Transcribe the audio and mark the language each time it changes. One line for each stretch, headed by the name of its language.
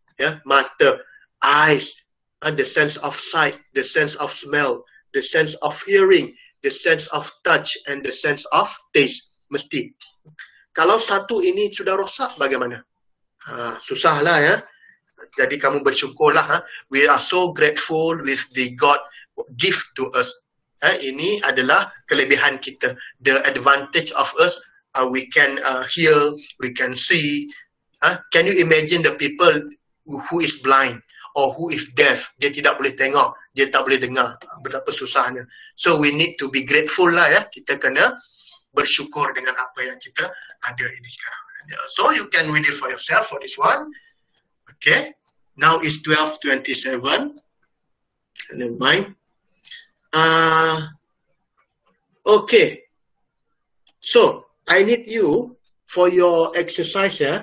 Malay: Ya, mata,
English: eyes, the sense of sight, the sense of smell, the sense of hearing, the sense of touch, and the sense of taste.
Malay: Mesti. Kalau satu ini sudah rosak, bagaimana? Susahlah ya. Jadi kamu bersyukurlah.
English: We are so grateful with the God gift to us.
Malay: Ini adalah kelebihan kita.
English: The advantage of us, we can hear, we can see. Can you imagine the people who is blind? Or who is deaf,
Malay: dia tidak boleh tengok, dia tak boleh dengar, betapa susahnya.
English: So we need to be grateful
Malay: lah ya, kita kena bersyukur dengan apa yang kita ada ini sekarang.
English: So you can read it for yourself for this one. Okay, now it's 12:27. Never mind. Okay. So I need you for your exercise.